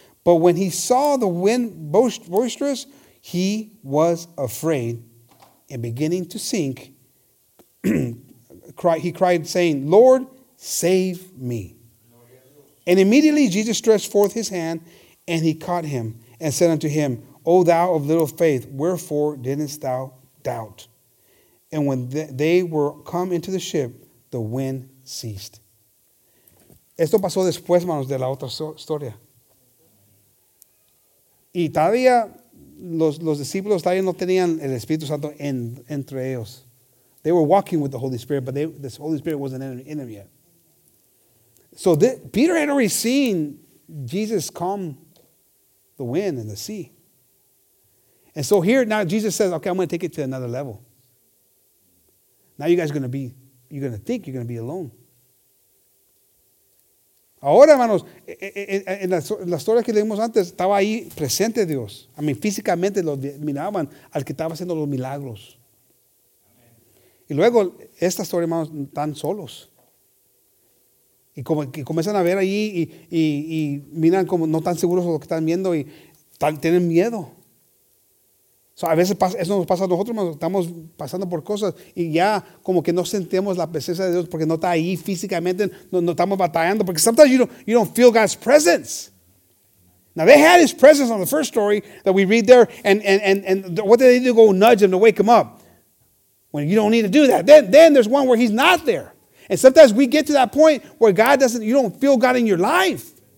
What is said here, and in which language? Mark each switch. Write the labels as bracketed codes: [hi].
[en] But when he saw the wind boisterous, he was afraid, and beginning to sink, he cried, saying, Lord, save me. And immediately Jesus stretched forth his hand, and he caught him and said unto him, O thou of little faith, wherefore didst thou doubt? And when they were come into the ship, the wind ceased. [es] Esto pasó después, manos, de la otra historia. Y todavía los discípulos todavía no tenían el Espíritu Santo entre ellos. [en] They were walking with the Holy Spirit, but this Holy Spirit wasn't in them yet. So Peter had already seen Jesus come the wind and the sea. And so here now Jesus says, okay, I'm going to take it to another level. Now you guys are going to be, you're going to think you're going to be alone. [es] Ahora, hermanos, en la historia que leímos antes, estaba ahí presente Dios. [en] I mean, [es] físicamente lo miraban al que estaba haciendo los milagros. Amen. Y luego, esta historia, hermanos, están solos. Y como que comienzan a ver allí y miran como no tan seguros de lo que están viendo y tienen miedo. So, a veces eso nos pasa a nosotros, hermanos. Estamos pasando por cosas y ya como que no sentimos la presencia de Dios porque no está ahí físicamente. No estamos batallando. Porque [en] sometimes you don't feel God's presence. Now they had his presence on the first story that we read there. And what did they do? Go nudge him to wake him up. When you don't need to do that. Then there's one where he's not there. And sometimes we get to that point where you don't feel God in your life.